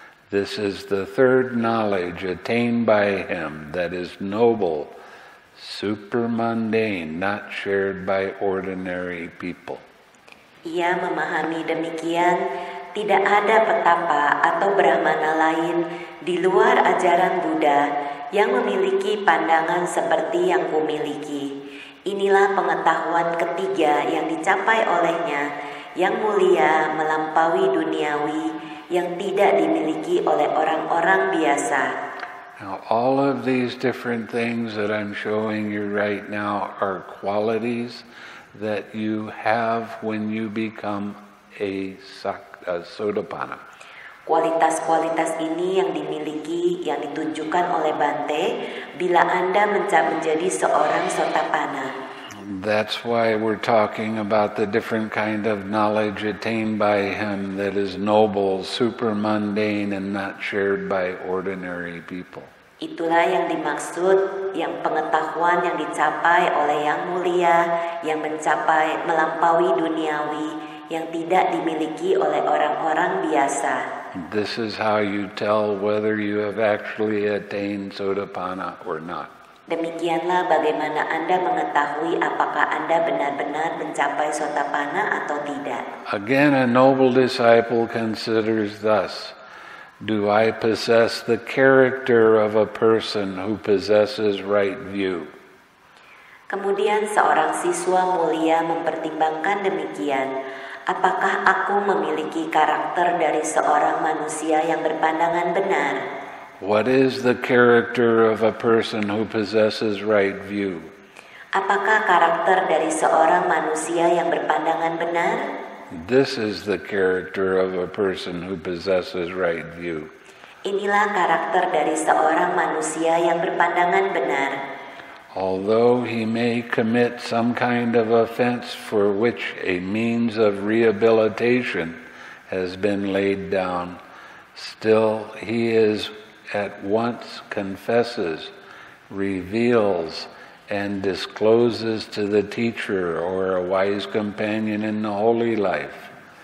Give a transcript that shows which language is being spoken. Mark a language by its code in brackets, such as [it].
[en] This is the third knowledge attained by him that is noble, supermundane, not shared by ordinary people. [id] Ia memahami demikian, tidak ada petapa atau Brahmana lain di luar ajaran Buddha yang memiliki pandangan seperti yang kumiliki. Inilah pengetahuan ketiga yang dicapai olehnya, yang mulia melampaui duniawi, yang tidak dimiliki oleh orang-orang biasa. [en] Now, all of these different things that I'm showing you right now are qualities that you have when you become a sotapanna. [id] Kualitas-kualitas ini yang dimiliki, yang ditunjukkan oleh Bhante, bila Anda menjadi seorang sotapanna. [en] That's why we're talking about the different kind of knowledge attained by him that is noble, supermundane, and not shared by ordinary people. [id] Itulah yang dimaksud, yang pengetahuan yang dicapai oleh yang mulia, yang mencapai melampaui duniawi, yang tidak dimiliki oleh orang-orang biasa. [en] This is how you tell whether you have actually attained sotapanna or not. [id] Demikianlah bagaimana Anda mengetahui apakah Anda benar-benar mencapai sotapanna atau tidak. [en] Again, a noble disciple considers thus, do I possess the character of a person who possesses right view? [id] Kemudian seorang siswa mulia mempertimbangkan demikian, apakah aku memiliki karakter dari seorang manusia yang berpandangan benar? [en] What is the character of a person who possesses right view? [id] Apakah karakter dari seorang manusia yang berpandangan benar? [en] This is the character of a person who possesses right view. [id] Inilah karakter dari seorang manusia yang berpandangan benar. [en] Although he may commit some kind of offense for which a means of rehabilitation has been laid down, still he is at once confesses, reveals, and discloses to the teacher or a wise companion in the holy life.